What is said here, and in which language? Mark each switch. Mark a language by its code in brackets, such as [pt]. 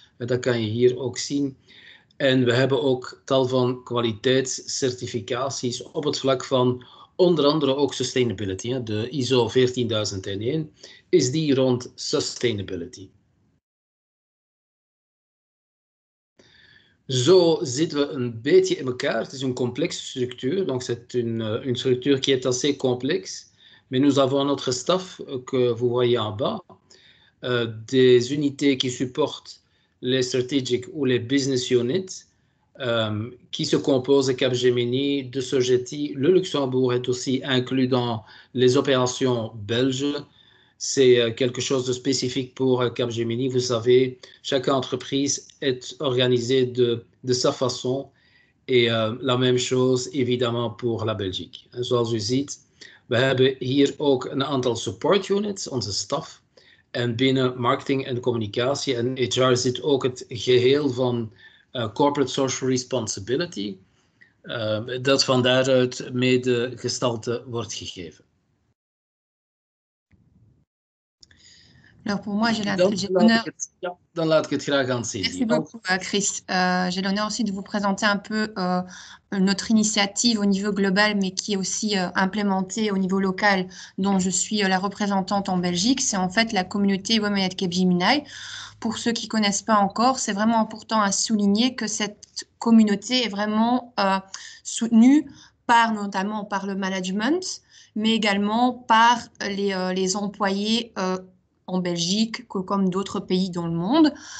[nl] Dat kan je hier ook zien. En we hebben ook tal van kwaliteitscertificaties op het vlak van onder andere ook sustainability. De ISO 14001 is die rond sustainability. Zo zitten we een beetje in elkaar. Het is een complexe structuur. [fr] Donc c'est une structure qui est assez complexe. Mais nous avons notre staff que vous voyez en bas. Des unités qui supportent les strategic ou les business units qui se composent de Capgemini, de Sogeti. Le Luxembourg est aussi inclus dans les opérations belges. C'est quelque chose de spécifique pour Capgemini. Vous savez, chaque entreprise est organisée de sa façon. Et la même chose, évidemment, pour la Belgique. [nl] Zoals u ziet, we hebben hier ook een aantal support units, onze staff. En binnen marketing en communicatie en HR zit ook het geheel van corporate social responsibility. Dat van daaruit mede gestalte wordt gegeven. [fr] Alors pour moi, [nl] dan laat ik het graag aan zien. [fr] Merci beaucoup, Chris. J'ai l'honneur aussi de vous présenter un peu notre initiative au niveau global, mais qui est aussi implémentée au niveau local, dont je suis la représentante en Belgique. C'est en fait la communauté Women at Capgemini. Pour ceux qui ne connaissent pas encore, c'est vraiment important à souligner que cette communauté est vraiment soutenue par notamment par le management, mais également par les employés en Belgique, comme d'autres pays dans le monde.